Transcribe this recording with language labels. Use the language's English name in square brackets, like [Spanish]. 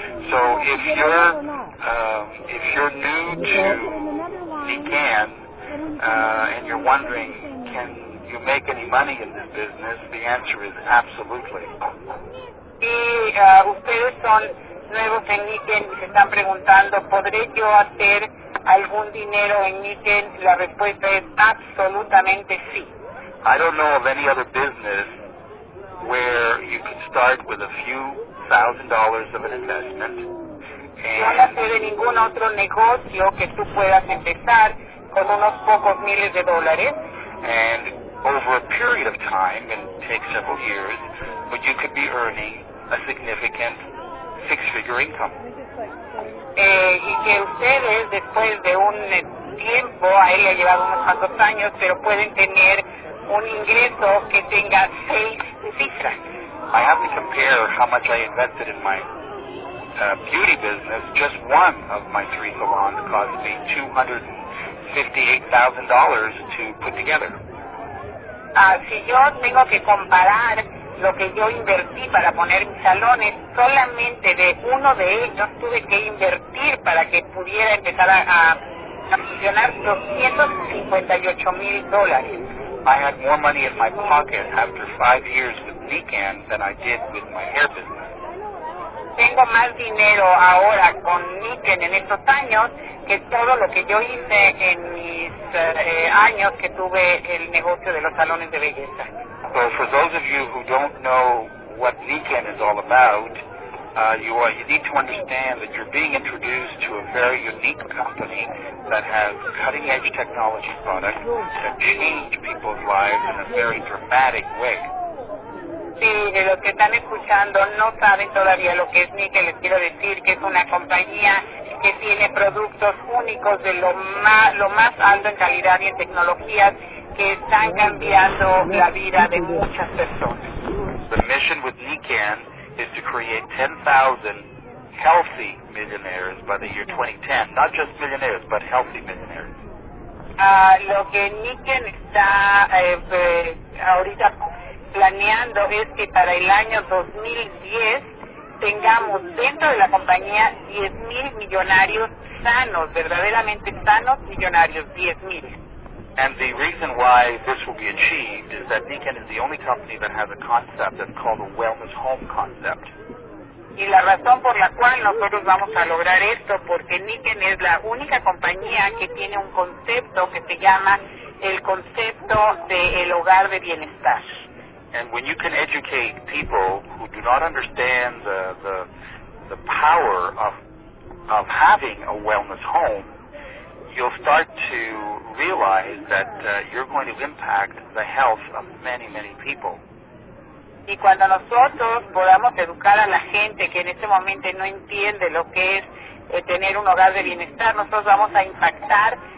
[English] So if you're new to Nikan, and you're wondering, can you make any money in this business? The answer is absolutely. [Spanish] Y ustedes son nuevos en Nikan y se están preguntando, ¿podré yo hacer algún dinero en Nikan? La respuesta es absolutamente sí. [English] I don't know of any other business where you can start with a few thousand dollars of an investment. [Spanish] No sé de ningún otro negocio que tú puedas empezar con unos pocos miles de dólares. [English] And over a period of time, and it takes several years, but you could be earning a significant six-figure income. [Spanish] Y que ustedes, después de un tiempo, a él le ha llevado unos cuantos años, pero pueden tener un ingreso que tenga seis cifras. [English] I have to compare how much I invested in my beauty business. Just one of my three salons cost me $258,000 to put together. [Spanish] Si yo tengo que comparar lo que yo invertí para poner mis salones, solamente de uno de ellos tuve que invertir para que pudiera empezar a funcionar $258,000. [English] I had more money in my pocket after 5 years with Nikan than I did with my hair business. [Spanish] Tengo más dinero ahora con Nikan en estos años que todo lo que yo hice en mis años que tuve el negocio de los salones de belleza. [English] So for those of you who don't know what Nikan is all about, you need to understand that you're being introduced to a very unique company that has cutting-edge technology products that change people's lives in a very dramatic way. [Spanish] Sí, de los que están escuchando no saben todavía lo que es Nikan. Les quiero decir que es una compañía que tiene productos únicos de lo más alto en calidad y en tecnologías que están cambiando la vida de muchas personas. [English] The mission with Nikan is to create 10,000 healthy millionaires by the year 2010. Not just millionaires, but healthy millionaires. [Spanish] Lo que Nikan está ahorita planeando es que para el año 2010 tengamos dentro de la compañía 10,000 millonarios sanos, verdaderamente sanos millonarios, 10,000. [English] And the reason why this will be achieved is that Nikan is the only company that has a concept that's called a wellness home concept. [Spanish] Y la razón por la cual nosotros vamos a lograr esto, porque Nikan es la única compañía que tiene un concepto que se llama el concepto de el hogar de bienestar. [English] And when you can educate people who do not understand the power of having a wellness home, you'll start to realize that you're going to impact the health of many, many people. [Spanish] Y cuando nosotros podamos educar a la gente que en este momento no entiende lo que es tener un hogar de bienestar, nosotros vamos a impactar